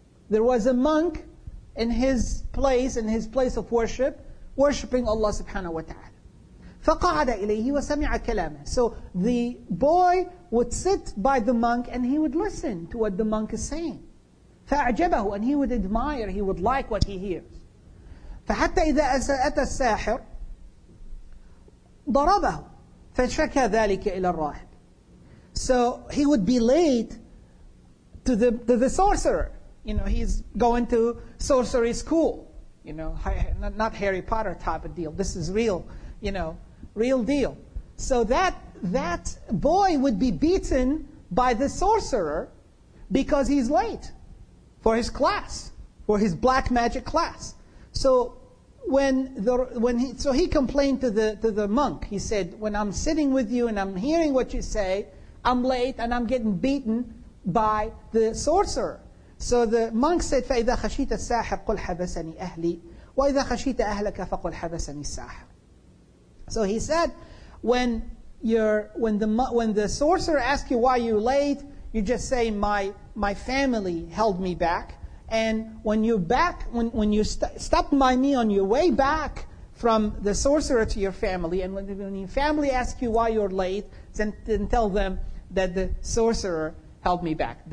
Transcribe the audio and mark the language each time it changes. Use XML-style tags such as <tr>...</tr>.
<en>There was a monk in his place of worship, worshiping Allah subhanahu wa ta'ala.</en> <ar>فَقَعَدَ إِلَيْهِ وَسَمِعَ كَلَامًا.</ar> <en>So the boy would sit by the monk and he would listen to what the monk is saying.</en> <ar>فَأَعْجَبَهُ.</ar> <en>And he would admire, he would like what he hears.</en> <ar>فَحَتَّى إِذَا أَتَى السَّاحِرُ ضَرَبَهُ فَشَكَى ذَلِكَ إِلَى الرَّاهِبِ.</ar> <en>So he would be late to the sorcerer. You know, he's going to sorcery school. You know, not Harry Potter type of deal. This is real, you know, real deal. So that boy would be beaten by the sorcerer because he's late for his class, for his black magic class. So he complained to the monk. He said, "When I'm sitting with you and I'm hearing what you say, I'm late and I'm getting beaten by the sorcerer." So the monk said,</en> <ar>فَإِذَا خَشِيتَ السَّاحِرَ قُلْ حَبَسَنِي أَهْلِي وَإِذَا خَشِيتَ أَهْلَكَ فَقُلْ حَبَسَنِي السَّاحِرَ.</ar> <en>So he said, when the sorcerer asks you why you're late, you just say, my family held me back. And when you're back, when you stop by me on your way back from the sorcerer to your family, and when your family asks you why you're late, then tell them that the sorcerer held me back.</en>